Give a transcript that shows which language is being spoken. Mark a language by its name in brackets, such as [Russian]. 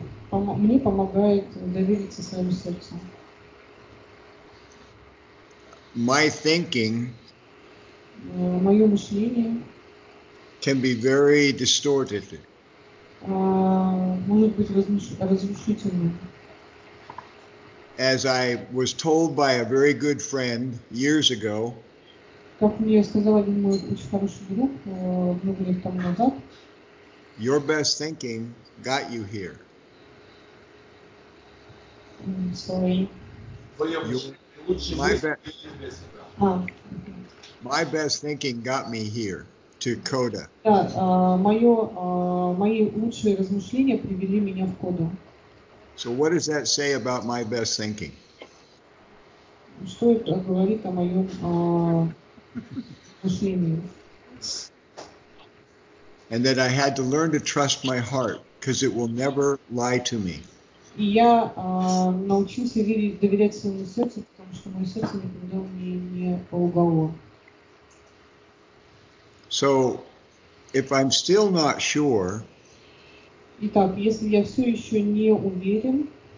[Russian] Мне помогает довериться своему сердцу. [English] My thinking. [Russian] Мое мышление. [English] Can be very distorted. [Russian] Может быть разрушительным. [English] As I was told by a very good friend years ago, your best thinking got you here. My best thinking got me here to CODA. [Russian] Мои лучшие размышления привели меня в CODA. [English] So what does that say about my best thinking? [Russian] Что это говорит о моем мышлении? [English] And that I had to learn to trust my heart, because it will never lie to me. [Russian] И я научился верить, доверять своему сердцу, потому что мое сердце никогда мне не лгало. [English] So, if I'm still not sure, [Russian] Итак, если я все еще не уверен,